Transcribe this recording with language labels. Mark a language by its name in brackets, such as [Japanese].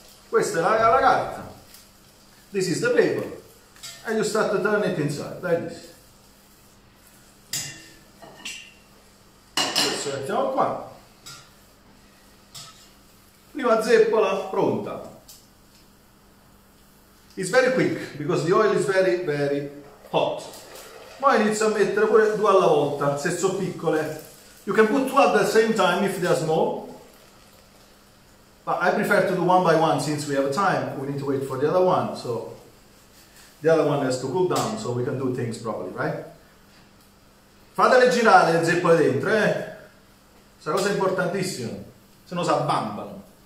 [Italian] Questa è la carta. [English] This is the paper. And you start to turn it inside, like this. [Italian] Questo mettiamo qua. Prima zeppola pronta. [English] It's very quick because the oil is very very hot. [Italian] Ma inizio a mettere pure due alla volta, se sono piccole. [English] You can put two at the same time if they are small. But I prefer to do one by one since we have time. We need to wait for the other one. So the other one has to cool down so we can do things properly, right? [Italian] Fatele girare le zeppole dentro, eh? Questa cosa è importantissima. Se no si abbambano.